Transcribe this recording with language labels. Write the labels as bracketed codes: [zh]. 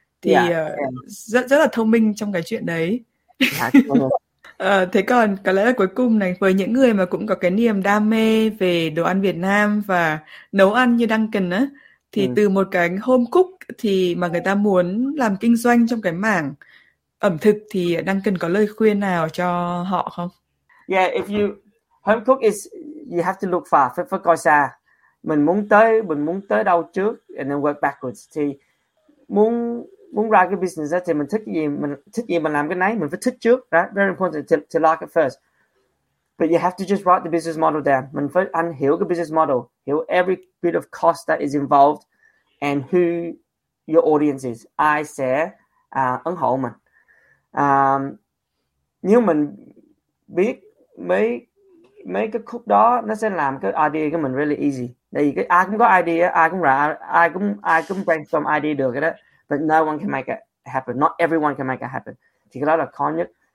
[vi] Thì rất rất là thông minh trong cái chuyện đấy. thế còn có lẽ là cuối cùng này, với những người mà cũng có cái niềm đam mê về đồ ăn Việt Nam và nấu ăn như Duncan á, thì từ một cái home cook thì mà người ta muốn làm kinh doanh trong cái mảng ẩm thực, thì đang cần có lời khuyên nào cho họ không? [en] If you home cook is you have to look far, [vi] phải coi xa. Mình muốn tới đâu trước [en] and then work backwards. [vi] Thì muốn muốn ra cái business đó thì mình thích gì mình làm cái nấy, mình phải thích trước đó, [en] very important to like it first. But you have to just write the business model down. [vi] Mình phải anh hiểu cái business model, hiểu [en] every bit of cost that is involved and who your audience is. [vi] Ai sẽ ủng hộ mình. Nếu mình biết mấy mấy cái khúc đó, nó sẽ làm cái idea của mình [en] really easy. [vi] Tại vì cái ai cũng có idea, ai cũng brainstorm idea được cái đó. [en] But no one can make it happen. Not everyone can make it happen. [vi] Thì cái đó là khó nhất.